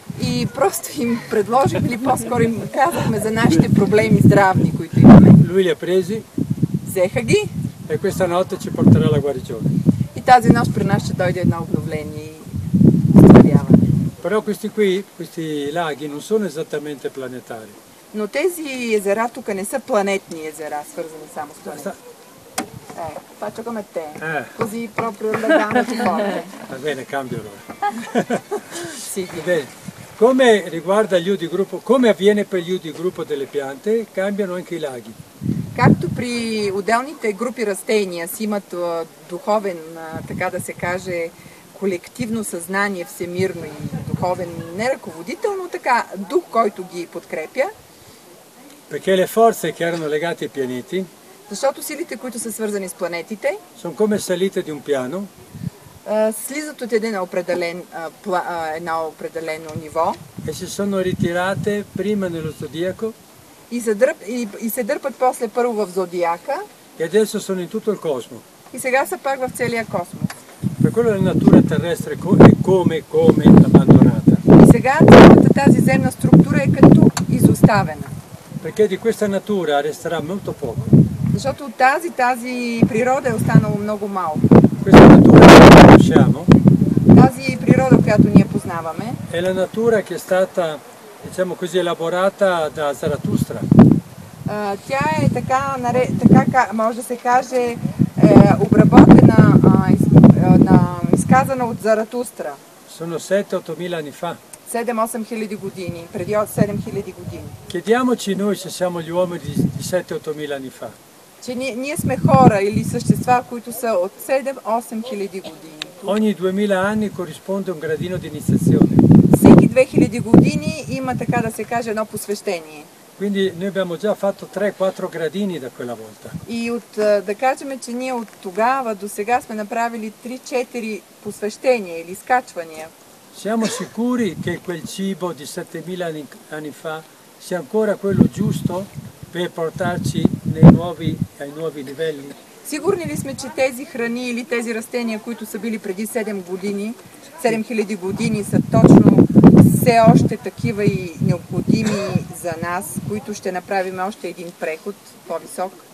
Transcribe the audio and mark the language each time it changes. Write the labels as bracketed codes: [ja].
[bg] И просто им предложих или по-скоро им казахме за нашите проблеми здравни, които имаме. [it] Lui li ha presi. [bg] Взеха ги. [it] E questa notte ci porterà la guarigione. [bg] И тази нощ при нас ще дойде едно обновление и оздравяване. [it] Però questi qui, questi laghi non sono esattamente planetari. [bg] Но тези езера тук не са планетни езера, свързани само с планета. [it] Faccio come te, così proprio la gamba forte. Va bene, cambio allora. Sì, sì. Bene. Come riguarda gli udi gruppo, come avviene per gli udi gruppo delle piante, cambiano anche i laghi. [bg] Както при отделните групи растения си имат духовен, така да се каже, колективно съзнание, всемирно и духовен, не ръководител, но така дух, който ги подкрепя. [it] Perché le forze che erano legate ai pianeti. [bg] Защото силите, които са свързани с планетите, [it] sono come salite di un piano. [bg] Слизат от един определен, едно определено ниво. [it] E si sono ritirate prima nello zodiaco. [bg] И се дърпат после първо в зодиака. [it] E adesso sono in tutto il cosmo. [bg] И сега са пак в целия космос. [it] Per quello la natura terrestre è come abbandonata. [bg] И сега цялата тази земна структура е като изоставена. [it] Perché di questa natura resterà molto poco. [bg] Защото тази природа е останало много малко. [it] Questa natura che conosciamo. [bg] Тази природа, която ние познаваме. [it] È la natura che è stata, diciamo così, elaborata da Zarathustra. [bg] Тя е така може да се каже, обработена, изказана от Заратустра. [it] Sono 7-8 mila anni fa. [bg] 7-8 хиляди години, преди 7 хиляди години. [it] Chiediamoci noi se siamo gli uomini di 7-8 mila anni fa. [bg] Че ние сме хора или същества, които са от 7-8 хиляди години. [it] Ogni 2000 anni corrisponde un gradino di iniziazione. [bg] Всеки 2000 години има, така да се каже, едно посвещение. [it] Quindi noi abbiamo già fatto 3-4 gradini da quella volta. [bg] И от, да кажем, че ние от тогава до сега сме направили 3-4 посвещения или скачвания. [it] Siamo sicuri che quel cibo di 7000 anni fa sia ancora quello giusto? Per portarci nei nuovi, ai nuovi livelli. [bg] Сигурни ли сме, че тези храни или тези растения, които са били преди 7000 години, са точно все още такива и необходими за нас, които ще направим още един преход по-висок?